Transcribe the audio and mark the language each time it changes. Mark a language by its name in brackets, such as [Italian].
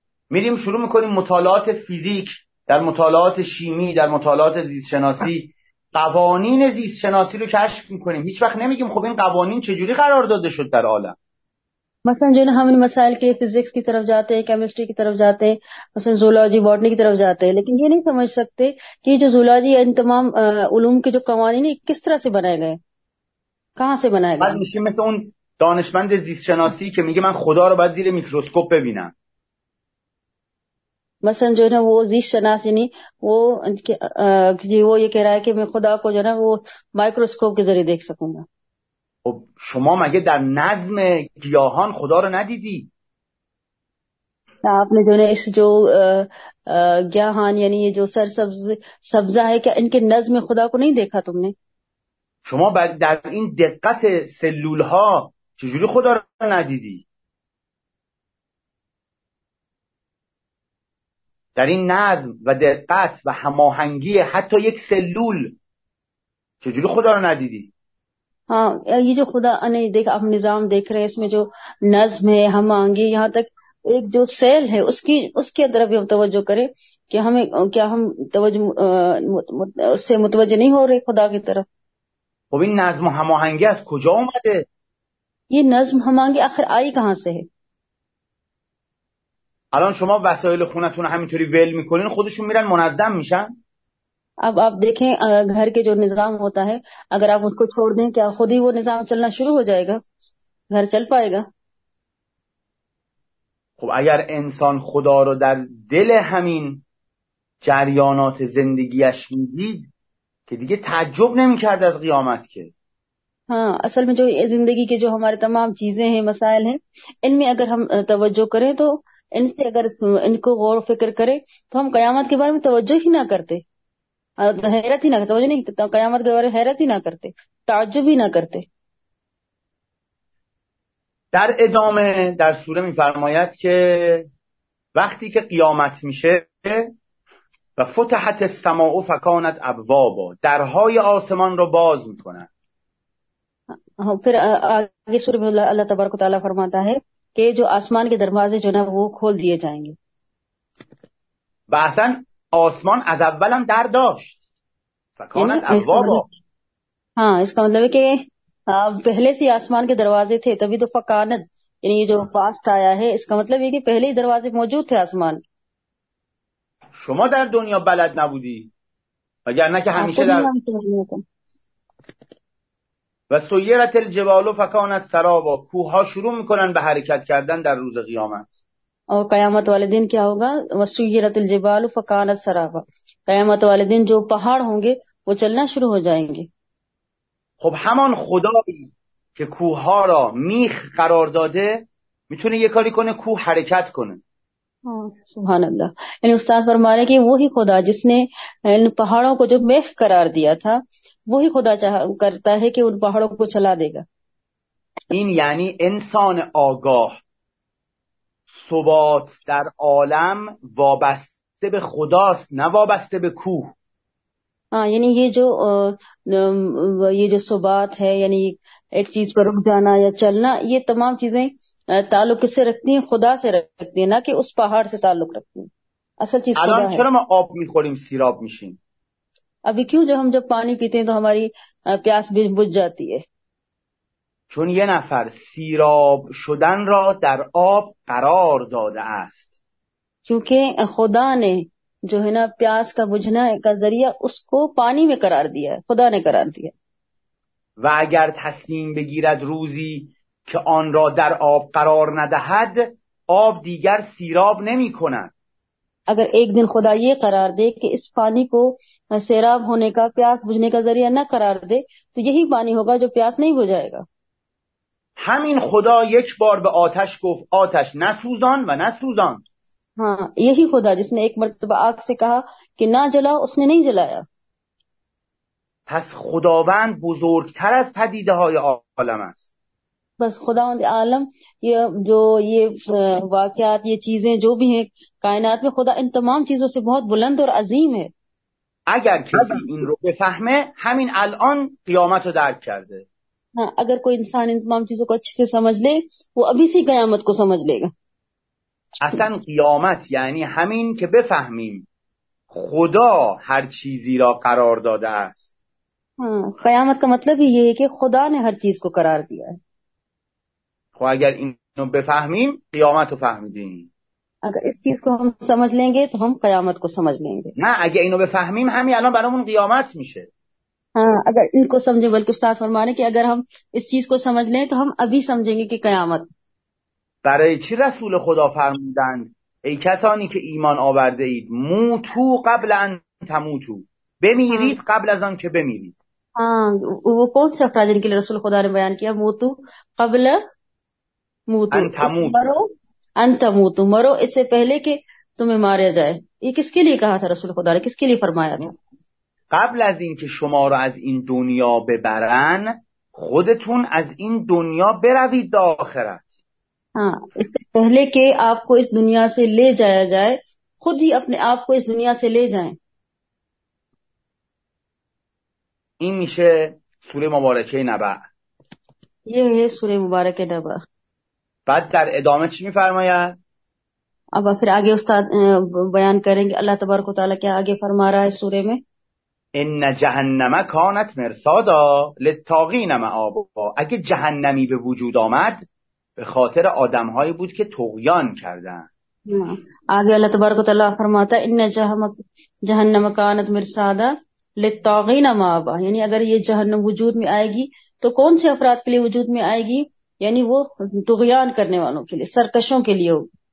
[Persian] میریم شروع میکنیم مطالعات فیزیک، در مطالعات شیمی، در مطالعات زیست شناسی قوانین زیست شناسی رو کشف میکنیم، هیچ وقت نمیگیم خب این قوانین چجوری قرار داده شد در عالم. [Urdu] مثلا جو ہم ان مسائل کے لیے فزکس کی طرف جاتے ہیں، کیمسٹری کی طرف جاتے ہیں، مثلا زولوجی، باٹنی کی طرف جاتے ہیں، لیکن یہ نہیں سمجھ سکتے کہ جو زولوجی ہے ان تمام علوم کے جو قوانین ہیں کس طرح سے بنائے گئے، کہاں سے بنائے گئے. [Persian] میشه مثل اون دانشمند زیست شناسی که میگه من خدا رو باید زیر میکروسکوپ ببینم. [Urdu] مثلا جو ہے وہ زیست شناسی نہیں، وہ جی وہ یہ کہہ رہا ہے کہ میں خدا کو جو ہے نا وہ مایکروسکوپ کے ذریعے دیکھ سکوں گا. [Persian] خب شما مگه در نظم گیاهان خدا رو ندیدی؟ [Urdu] آپ نے جو اس جو گیاهان یعنی یہ جو سر سبزہ ہے، کیا ان کے نظم خدا کو نہیں دیکھا تم نے؟ [Persian] شما در این دقت سلول ها چجوری خدا رو ندیدی؟ در این نظم و دقت و هماهنگی حتی یک سلول چجوری خدا رو ندیدی؟ [Urdu] ہاں یہ جو خدا نے دیکھا، ہم نظام دیکھ رہے ہیں، اس میں جو نظم ہے، ہم آنگے، یہاں تک ایک جو سیل ہے اس کی طرف بھی ہم توجہ کریں کہ ہمیں کیا ہم توجہ اس سے متوجہ نہیں ہو رہے خدا کی طرف. [Persian] خب این نظم و ہم آہنگی از کجا اومده؟ [Urdu] یہ نظم ہم آہنگی آخر آئی کہاں سے ہے؟ [Persian] الان شما وسائل خونتون همینطوری ول میکنین خودشون میرن منظم میشن؟ [Urdu] اب آپ دیکھیں گھر کے جو نظام ہوتا ہے، اگر آپ اس کو چھوڑ دیں کیا خود ہی وہ نظام چلنا شروع ہو جائے گا، گھر چل پائے گا؟ [Persian] خب اگر انسان خدا رو در دل همین جریانات زندگیش میدید که دیگه تعجب نمی کرد از قیامت که. [Urdu] ہاں اصل میں جو زندگی کے جو ہمارے تمام چیزیں ہیں، مسائل ہیں، ان میں اگر ہم توجہ کریں تو ان سے اگر ان کو غور و فکر کریں تو ہم قیامت کے بارے میں توجہ ہی نہ کرتے، حیرت ہی نہ کرتے، مجھے نہیں قیامت کے بارے حیرت ہی نہ کرتے، تعجب ہی نہ کرتے. [Persian] در ادامه در سوره میفرماید که وقتی که قیامت میشه [Arabic] و فتحت السماء و فکانت ابوابا، [Persian] درهای آسمان رو باز میکنن. [Urdu] پھر آگے سوره میں اللہ تبارک و تعالی فرماتا ہے کہ جو آسمان کے دروازے جو نا وہ کھول دیے جائیں گے. [Persian] بحثاً آسمان از اول هم در داشت، [Arabic] فکانت ابوابا. [Urdu] ہاں اس کا مطلب ہے کہ پہلے سے آسمان کے دروازے تھے، تبھی تو فکانت یعنی یہ جو پاسٹ آیا ہے، اس کا مطلب یہ کہ پہلے ہی دروازے موجود تھے آسمان. [Persian] شما در دنیا بلد نبودی، اگر نه که همیشه در [Arabic] و سویرت الجبال و فکانت سرابا، [Persian] کوه ها شروع میکنن به حرکت کردن در روز قیامت. [Urdu] اور قیامت والے دن کیا ہوگا؟ [Arabic] وسویرت الجبال فکانت سرابا، [Urdu] قیامت والے دن جو پہاڑ ہوں گے وہ چلنا شروع ہو جائیں گے. [Persian] خب همان خدایی که کوه‌ها را میخ قرار داده میتونه یه کاری کنه کوه حرکت کنه. [Arabic] سبحان الله. [Urdu] یعنی استاد فرما رہے کہ وہی خدا جس نے ان پہاڑوں کو جو میخ قرار دیا تھا وہی خدا کرتا ہے کہ ان پہاڑوں کو چلا دے گا. [Persian] این یعنی انسان آگاه ثبات در عالم وابسته به خداست نه وابسته به کوه. [Urdu] یعنی یہ جو ثبات ہے یعنی ایک چیز پر رک جانا یا چلنا یہ تمام چیزیں تعلق کس سے رکھتی ہیں؟ خدا سے رکھتی ہیں، نہ کہ اس پہاڑ سے تعلق رکھتی ہیں. اصل چیز خدا ہے. [Persian] الان چرا ما آب میخوریم سیراب میشیم؟ [Urdu] ابھی کیوں جو ہم جب پانی پیتے ہیں تو ہماری پیاس بجھ جاتی ہے؟ [Persian] چون یه نفر سیراب شدن را در آب قرار داده است. [Urdu] کیونکہ خدا نے جو ہے نا پیاس کا بجھنا کا ذریعہ اس کو پانی میں قرار دیا ہے، خدا نے قرار دیا. [Persian] و اگر تصمیم بگیرد روزی که آن را در آب قرار ندهد، آب دیگر سیراب نمی کند. [Urdu] اگر ایک دن خدا یہ قرار دے کہ اس پانی کو سیراب ہونے کا، پیاس بجھنے کا ذریعہ نہ قرار دے، تو یہی پانی ہوگا جو پیاس نہیں بجھائے گا. [Persian] همین خدا یک بار به آتش گفت آتش نسوزان و نسوزان. [Urdu] ہاں یہی خدا جس نے ایک مرتبہ آگ سے کہا کہ نہ جلا، اس نے نہیں جلایا. [Persian] پس خداوند بزرگتر از پدیده های عالم است. [Urdu] بس خداوند عالم یہ جو یہ واقعات یہ چیزیں جو بھی ہیں کائنات میں، خدا ان تمام چیزوں سے بہت بلند اور عظیم ہے. [Persian] اگر کسی این رو بفهمه همین الان قیامت رو درک کرده. [Urdu] ہاں اگر کوئی انسان ان تمام چیزوں کو اچھے سے سمجھ لے وہ ابھی سے قیامت کو سمجھ لے گا. [Persian] اصلا قیامت یعنی همین که بفهمیم خدا هر چیزی را قرار داده است. [Urdu] قیامت کا مطلب ہی یہ ہے کہ خدا نے ہر چیز کو قرار دیا ہے. [Persian] خب اگر اینو بفهمیم قیامت رو فهمیدیم. [Urdu] اگر اس چیز کو ہم سمجھ لیں گے تو ہم قیامت کو سمجھ لیں گے. [Persian] نه اگر اینو بفهمیم همین الان برامون قیامت میشه. [Urdu] اگر ان کو سمجھیں، بلکہ استاد فرما رہے کہ اگر ہم اس چیز کو سمجھ لیں تو ہم ابھی سمجھیں گے کہ قیامت. [Persian] برای چی رسول خدا فرمودند ای کسانی که ایمان آورده اید [Arabic] موتو قبل ان تموتو، [Persian] بمیرید قبل از آن که بمیرید. [Urdu] وہ کون سے افراد جن کے لئے رسول خدا نے بیان کیا [Arabic] موتو قبل موتو ان تموتو، مرو ان تموتو، [Urdu] مرو اس سے پہلے کہ تمہیں مارے جائے؟ یہ کس کے لئے کہا تھا رسول خدا نے، کس کے لئے فرمایا تھا؟ [Persian] قبل از این که شما را از این دنیا ببرن خودتون از این دنیا بروید به آخرت. [Urdu] اس سے پہلے کہ آپ کو اس دنیا سے لے جایا جائے، خود ہی اپنے آپ کو اس دنیا سے لے جائیں. [Persian] این میشه سوره مبارکه نبع. [Urdu] یہ ہے سوره مبارکه نبع. [Persian] بعد در ادامه چی میفرماید؟ [Urdu] اب پھر آگے استاد بیان کریں گے اللہ تبارک و تعالیٰ کیا آگے فرما رہا ہے سوره میں. [Arabic] ان جهنم کانت مرصادا للطاغین مآبا. [Persian] اگه جهنمی به وجود آمد به خاطر آدم هایی بود که طغیان کردن. [Urdu] آگه اللہ تبارک و تعالی فرماتا [Arabic] ان جهنم کانت مرصادا للطاغین مآبا، [Urdu] یعنی اگر یہ جهنم وجود میں آئے گی تو کون سے افراد کے لیے وجود میں آئے گی؟ یعنی وہ طغیان کرنے والوں کے لیے، سرکشوں کے لیے.